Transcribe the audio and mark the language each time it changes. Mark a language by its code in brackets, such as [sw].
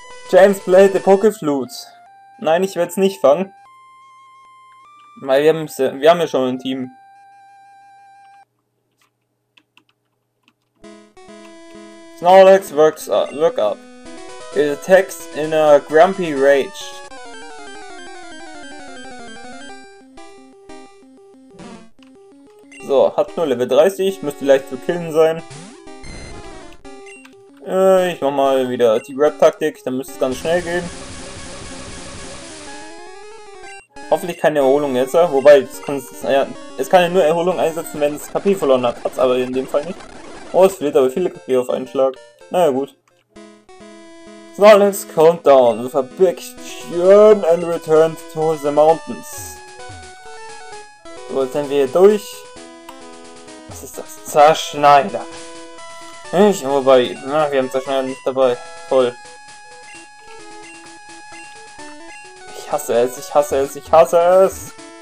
[en] James played the Pokeflute. [de] Nein, ich werde es nicht fangen. Weil wir haben ja schon ein Team. [en] Snorlax works up. It attacks in a grumpy rage. [de] So, hat nur Level 30, müsste leicht zu killen sein. Ich mach mal wieder die Grab-Taktik, dann müsste es ganz schnell gehen. Hoffentlich keine Erholung jetzt, wobei es kann ja nur Erholung einsetzen, wenn es KP verloren hat. Hat es aber in dem Fall nicht. Oh, es verliert aber viele KP auf einen Schlag. Naja, gut. [en] Snorlax calmed down with a big churn and returned to the mountains. [de] So, jetzt sind wir hier durch. Das ist das Zerschneider. Ich habe bei. Na, wir haben Zerschneider nicht dabei. Toll. Ich hasse es, ich hasse es, ich hasse es.